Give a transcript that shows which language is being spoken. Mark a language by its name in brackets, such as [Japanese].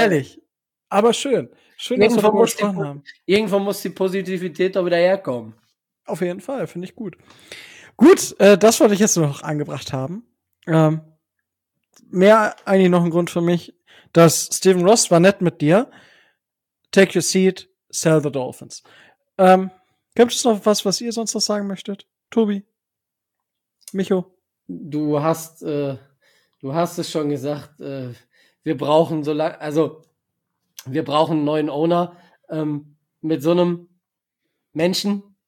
[German] Ehrlich. Aber schön, dass wir gesprochen haben. Irgendwo muss die Positivität doch wieder herkommen. Auf jeden Fall, finde ich gut. Gut, das wollte ich jetzt nur noch angebracht haben. Mehr eigentlich noch ein Grund für mich, dass Stephen Ross war nett mit dir. [English] Take your seat, sell the Dolphins. [German] Gibt es noch was, was ihr sonst noch sagen möchtet? Tobi? Micho? Du hast es schon gesagt, wir brauchen so lange, also wir brauchen einen neuen Owner mit so einem Menschen.